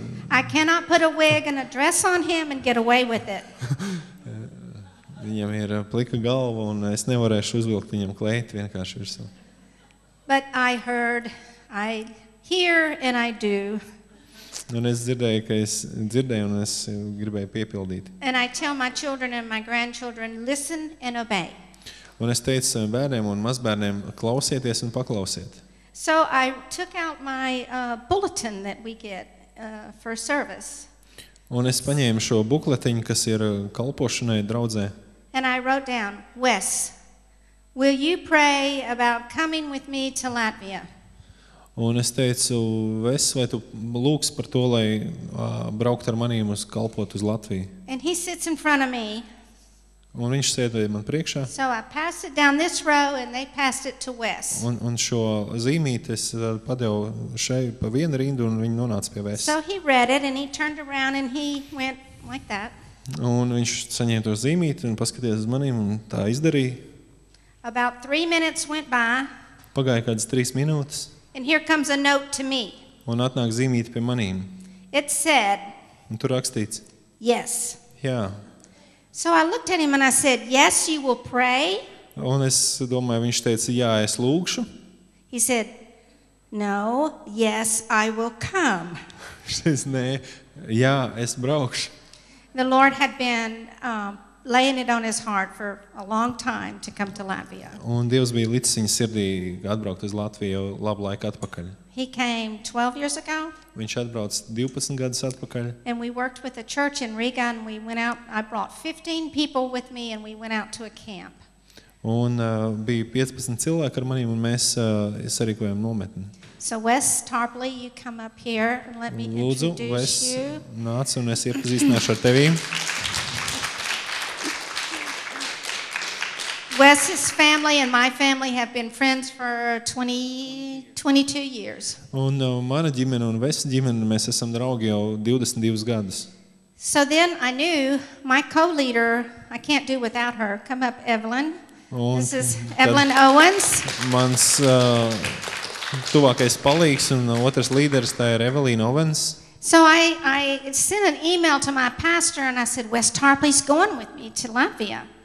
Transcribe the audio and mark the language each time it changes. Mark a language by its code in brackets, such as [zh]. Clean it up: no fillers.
[en] I cannot put a wig and a dress on him and get away with it. [lv] Viņam ir plika galva un es nevarēšu uzvilkt viņam kleitu vienkārši virsū. [en] But I heard, I hear and I do. [lv] Un es dzirdēju, ka es dzirdēju un es gribēju piepildīt. [en] And I tell my children and my grandchildren, listen and obey. [lv] Un es teicu saviem bērniem un mazbērniem, klausieties un paklausiet. [en] So I took out my bulletin that we get for service. [lv] Un es paņēmu šo bukletiņu, kas ir kalpošanai draudzē. [en] And I wrote down, Wes, will you pray about coming with me to Latvia? [lv] Un es teicu, Wes, vai tu lūgs par to, lai braukt ar manīm uz kalpot uz Latviju? [en] And he sits in front of me. [lv] Un viņš sēdēja man priekšā. [en] So I passed it down this row and they passed it to Wes. [lv] Un šo zīmīti es padevu šeit pa vienu rindu un viņi nonāca pie Wes. [en] So he read it and he turned around and he went like that. [lv] Un viņš saņēma to zīmīti un paskatījās uz manim un tā izdarīja. [en] About 3 minutes went by. [lv] Pagāja kādas 3 minūtes. [en] And here comes a note to me. [lv] Un atnāk zīmīti pie manīm. [en] It said. [lv] Un tur rakstīts. [en] Yes. [lv] Jā. [en] So I looked at him and I said, "Yes, you will pray." [lv] Un es domāju, viņš teica, "Jā, es lūgšu." [en] He said, "No, yes, I will come." [lv] Šis nē, jā, es braukšu. [en] The Lord had been laying it on his heart for a long time to come to Latvia. [lv] Un Dievs bija licis viņa sirdī atbraukt uz Latviju labu laiku atpakaļ. [en] He came 12 years ago. [lv] Viņš atbrauca 12 gadus atpakaļ. [en] And we worked with a church in Riga and we went out, I brought 15 people with me and we went out to a camp. [lv] Un bija 15 cilvēki ar manim un mēs sarīkojām nometni. [en] So Wes Tarpley, you come up here and let me [lv] Lūdzu, [en] introduce Wes, you. [lv] Nāc un es iepazīstināšu ar tevi. [en] Wes's family and my family have been friends for 22 years. [lv] Un mana ģimene un Wes ģimene mēs esam draugi jau 22 gadus. [en] So then I knew my co-leader, I can't do without her. Come up, Evelyn. This is Evelyn Owens. [lv] Mans tuvākais palīgs un otrs līderis, tā ir Evelyn Owens. [en] So I sent an email to my pastor and I said, Wes Tarplee's going with me to Latvia.